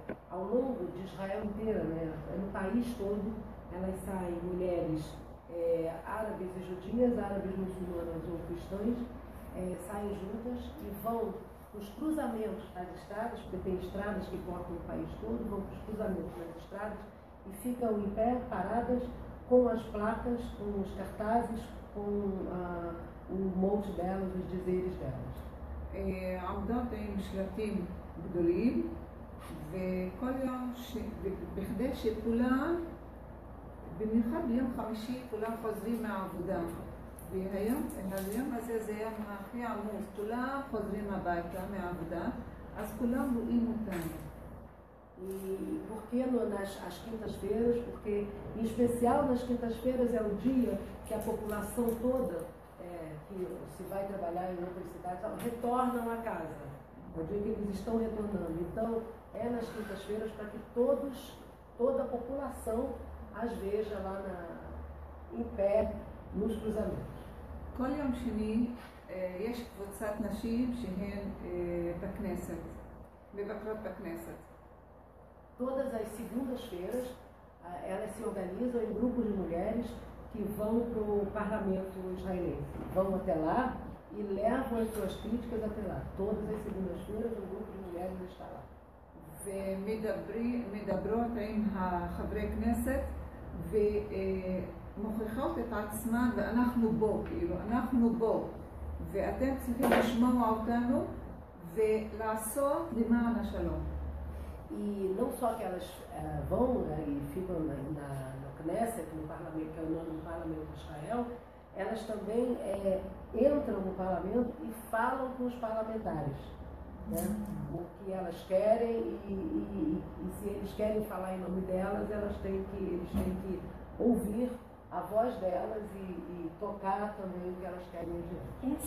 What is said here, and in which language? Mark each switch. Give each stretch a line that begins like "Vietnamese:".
Portuguese: ao longo de Israel inteira, né, no país todo, elas saem mulheres árabes e judias, árabes, muçulmanas ou cristãs, saem juntas e vão nos cruzamentos das estradas, porque tem estradas que cortam o país todo, vão para os cruzamentos das estradas e ficam em pé, paradas, com as placas, com os cartazes, com o monte delas, os dizeres delas.
Hebrew: עומדות עם שלטים גדולים, וכל יום, בכדי שכולם, במיוחד ביום חמישי, כולם חוזרים מהעבודה. והיום הזה זה יום הכי עמוס, כולם חוזרים הביתה מהעבודה, אז כולם רואים אותם.
Portuguese: E por que nas quintas-feiras? Porque, em especial, nas quintas-feiras é o dia que a população toda, que se vai trabalhar em outras cidades, retornam à casa. É o dia que eles estão retornando. Então, é nas quintas-feiras para que todos, toda a população as veja lá na, em pé, nos cruzamentos.
Hebrew: כל יום שני יש קבוצת נשים שהן בכנסת, מבקרות בכנסת.
Portuguese: Todas as segundas-feiras elas se organizam em grupos de mulheres que vão para o parlamento israelense. Vão até lá e levam as suas críticas até lá. Todas as segundas-feiras um grupo de mulheres está lá.
Hebrew: ומדברות עם חברי כנסת ומוכיחות את עצמן ואנחנו בו, כאילו, אנחנו בו ואתם צריכים לשמוע אותנו ולעשות למען השלום.
Portuguese: E não só que elas vão e ficam na Knesset, no parlamento, que é o nome do parlamento de Israel, elas também entram no parlamento e falam com os parlamentares, né? O que elas querem e se eles querem falar em nome delas, elas têm que, eles têm que ouvir a voz delas e tocar também o que elas querem em diante.